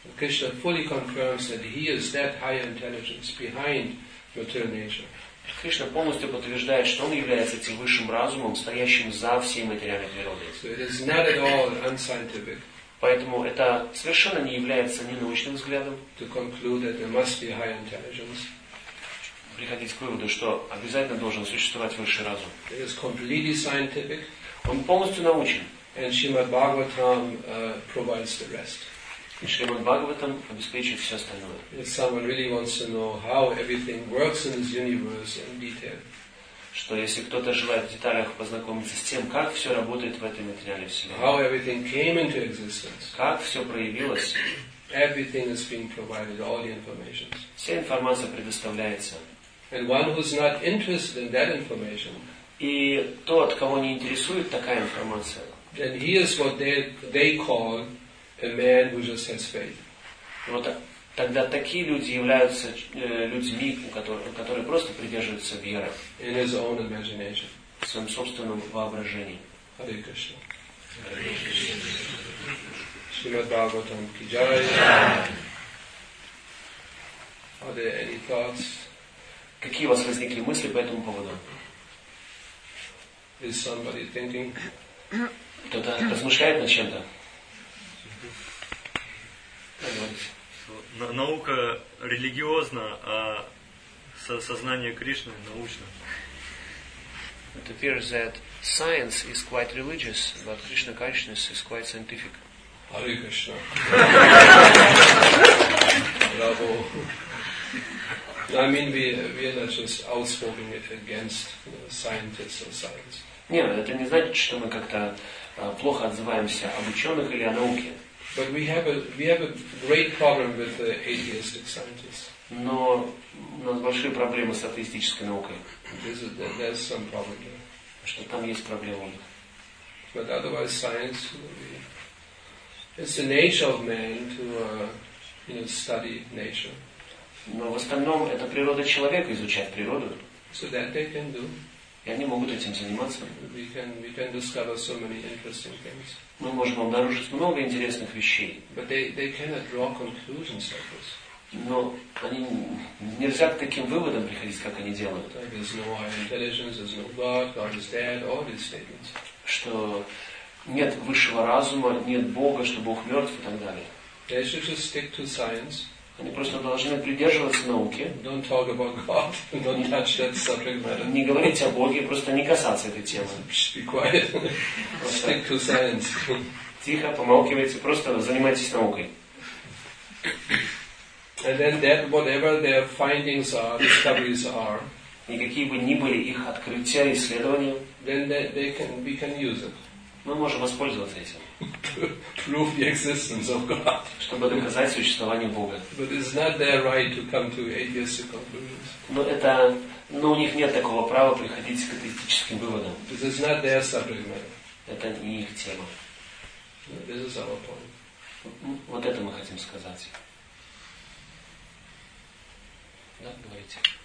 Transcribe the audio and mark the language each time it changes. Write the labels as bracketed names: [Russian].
[English] Кришна fully confirms that he is that higher intelligence behind material nature. [Russian] Кришна полностью подтверждает, что он является этим высшим разумом, стоящим за всей материальной природой. [English] So it is not at all unscientific. [Russian] Поэтому это совершенно не является ненаучным взглядом. [English] To conclude that there must be higher intelligence. [Russian] Приходить к выводу, что обязательно должен существовать высший разум. [English] It is completely scientific. [Russian] Он полностью научен. [English] And Shrimad Bhagavatam provides the rest. [Russian] И Шримад Бхагаватам обеспечивает все остальное. [English] If someone really wants to know how everything works in this universe in detail. [Russian] Что если кто-то желает в деталях познакомиться с тем, как все работает в этой материальной вселенной. [English] How everything came into existence. [Russian] Как все проявилось. [English] Everything is being provided, all the information. [Russian] Вся информация предоставляется. [English] And one who is not interested in that information. [Russian] И тот, кого не интересует такая информация. [English] Then he is what they call a man who just has faith. [Russian] Вот тогда такие люди являются людьми, которые просто придерживаются веры. [English] In his own imagination. [Russian] В своем собственном воображении. [English] Hare Krishna. Hare Krishna. Srimad Bhagavatam Ki Jai. Are there any thoughts? [Russian] Какие у вас возникли мысли по этому поводу? [English] Is somebody thinking? [Russian] Кто-то размышляет над чем-то? Наука религиозна, а сознание Кришны научно. [English] It appears that science is quite religious, but Krishna consciousness is quite scientific. Hare Krishna. Bravo. I mean, we are not just outspoken against scientists or science. [Russian] Нет, это не значит, что мы как-то плохо отзываемся об ученых или о науке. [English] But we have a great problem with the atheistic scientists. [Russian] Но у нас большие проблемы с атеистической наукой. [English] There's some problem there. [Russian] Что там есть проблема? [English] But otherwise, science, it's the nature of man to study nature. [Russian] Но в остальном это природа человека изучать природу. [English] So that they can do. [Russian] И они могут этим заниматься. [English] We can discover so many interesting things. [Russian] Мы можем обнаружить много интересных вещей. [English] But they cannot draw conclusions like this. [Russian] Но они нельзя к таким выводам приходить, как они делают. [English] There's no higher intelligence, there's no God, God is dead, all these statements. [Russian] Что нет высшего разума, нет Бога, что Бог мертв и так далее. [English] They should just stick to science. [Russian] Они просто должны придерживаться науки. [English] Don't talk about God. Don't touch that subject matter. [Russian] Не говорить о Боге, просто не касаться этой темы. [English] Be quiet. Stick to science. [Russian] Тихо, помалкивайте, просто занимайтесь наукой. [English] And then that whatever their findings are, discoveries are. [Russian] И какие бы ни были их открытия, исследования. [English] Then they can we can use it. [Russian] Мы можем воспользоваться этим. [English] Prove the existence of God. [Russian] Чтобы доказать существование Бога. [English] But it's not their right to come to atheistic conclusions. [Russian] Но у них нет такого права приходить к атеистическим выводам. [English] This is not their subject matter. [Russian] Это не их тема. [English] This is our point. [Russian] Вот это мы хотим сказать. Да, говорите.